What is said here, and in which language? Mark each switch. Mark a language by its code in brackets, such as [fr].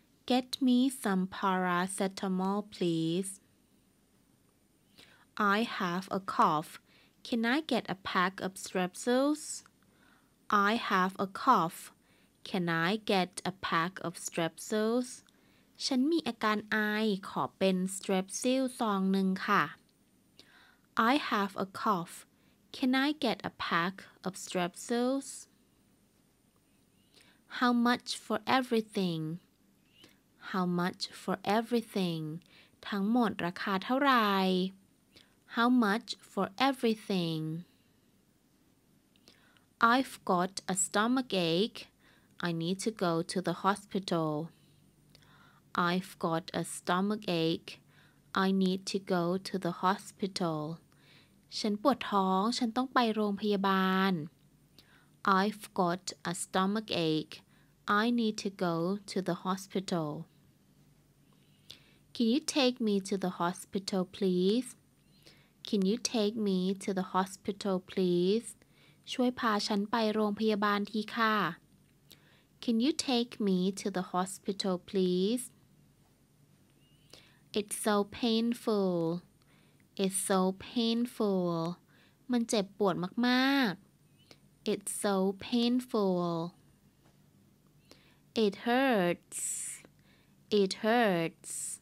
[en] Get me some paracetamol, please. I have a cough. Can I get a pack of strepsils? I have a cough. Can I get a pack of strepsils? [th] ฉันมีอาการไอ ขอเป็น strepsil ซองหนึ่งค่ะ [en] I have a cough. Can I get a pack of strepsils? How much for everything? How much for everything? [th] ทั้งหมดราคาเท่าไหร่ [en] How much for everything? I've got a stomach ache. I need to go to the hospital. I've got a stomach ache. I need to go to the hospital. [th] ฉันปวดท้องฉันต้องไปโรงพยาบาล [en] I've got a stomach ache. I need to go to the hospital. Can you take me to the hospital, please? Can you take me to the hospital, please? [th] ช่วยพาฉันไปโรงพยาบาลทีค่ะ [en] Can you take me to the hospital, please? It's so painful. It's so painful. [th] มันเจ็บปวดมาก [en] ๆ It's so painful. It hurts. It hurts.